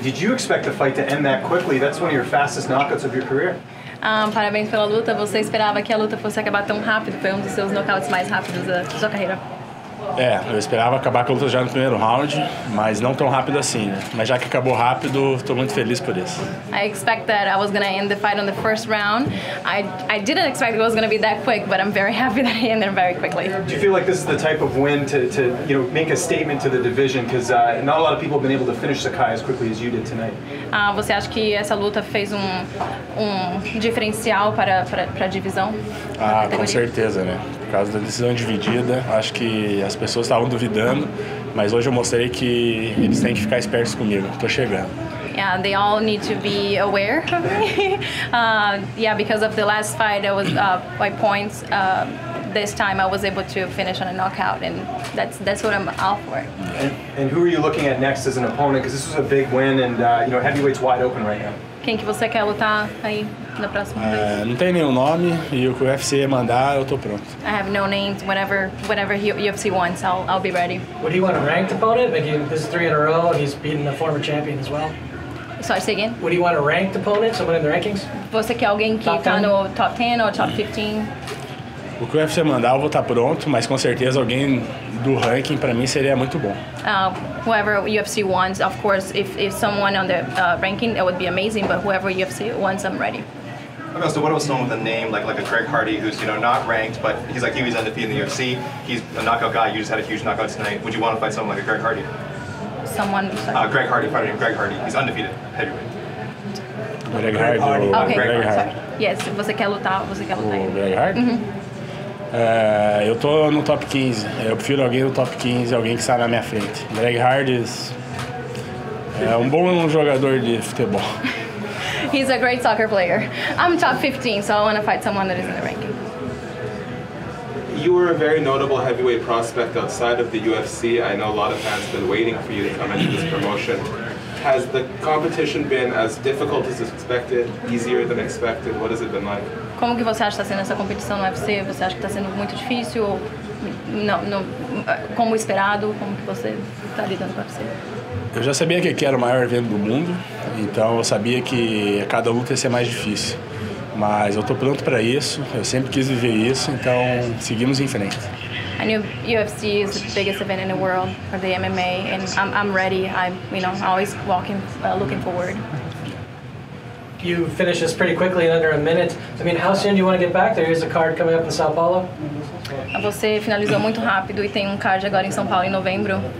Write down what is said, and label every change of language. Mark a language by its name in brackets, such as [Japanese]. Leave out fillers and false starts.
[English] Did you expect the fight to end that quickly? That's one of your fastest knockouts of your career. [Portuguese] Parabéns pela luta. Você esperava que a luta fosse acabar tão rápido? Foi dos seus knockouts mais rápidos da sua carreira. Eu esperava acabar com a luta já no primeiro round, mas não tão rápido assim, né? Mas já que acabou rápido, estou muito feliz por isso. [English] I expect that I was going to end the fight on the first round. I didn't expect it was going to be that quick, but I'm very happy that I ended very quickly. Do you feel like this is the type of win to you know, make a statement to the division? Because not a lot of people have been able to finish Sakai as quickly as you did tonight. [Portuguese] Você acha que essa luta fez um diferencial para a divisão? Com certeza, né? Por causa da decisão dividida, acho que as pessoas estavam duvidando, mas hoje eu mostrei que eles têm que ficar espertos comigo. Tô chegando. [English] Yeah, they all need to be aware of me. Because of the last fight, I was by points. This time, I was able to finish on a knockout, and that's what I'm out for. And who are you looking at next as an opponent? Because this was a big win, and you know, heavyweight's wide open right now. [Portuguese] Quem que você quer lutar aí na próxima vez? Não tem nenhum nome, e o que o UFC mandar, eu tô pronto. [English] I have no names, whatever UFC wants, I'll be ready. What do you want to rank the opponent? Like, this is three in a row, and he's beaten the former champion as well. Sorry, say again? What do you want to rank the opponent, someone in the rankings? [Portuguese] Você quer alguém que tá no top 10 [English] or top 15? [Portuguese] O que o UFC mandar, eu vou estar pronto, mas com certeza alguém do ranking para mim seria muito bom. [English] Whoever UFC wants, of course, if someone on the ranking, it would be amazing, but whoever UFC wants, I'm ready. Okay, so what about someone with a name like a Craig Hardy, who's, you know, not ranked, but he's like, he's undefeated in the UFC, he's a knockout guy, you just had a huge knockout tonight. Would you want to fight someone like a Craig Hardy? Greg Hardy, pardon me, Greg Hardy, he's undefeated, heavyweight. Greg Hardy. Yes, [Portuguese] você quer lutar ele. Greg Hardy? Mm-hmm. Eu tô no top 15. Eu prefiro alguém no top 15, alguém que sai na minha frente. Greg Hardy é um bom jogador de futebol. [English] He's a great soccer player. I'm top 15, so I want to fight someone that is in the ranking. You were a very notable heavyweight prospect outside of the UFC. I know a lot of fans have been waiting for you to come into this promotion. Has the competition been as difficult as expected, easier than expected? What has it been like? [Portuguese] Como que você acha que está sendo essa competição no UFC? Você acha que está sendo muito difícil ou não, como esperado? Como que você está lidando com o UFC? Eu já sabia que aqui era o maior evento do mundo, então eu sabia que cada luta ia ser mais difícil. Mas eu estou pronto para isso, eu sempre quis viver isso, então seguimos em frente. [English] I knew UFC is the biggest event in the world for the MMA, and I'm ready. I'm, you know, always walking, looking forward. You finish this pretty quickly in under a minute. I mean, how soon do you want to get back? There is a card coming up in São Paulo. [Portuguese] Você finalizou muito rápido e tem card agora em São Paulo em novembro.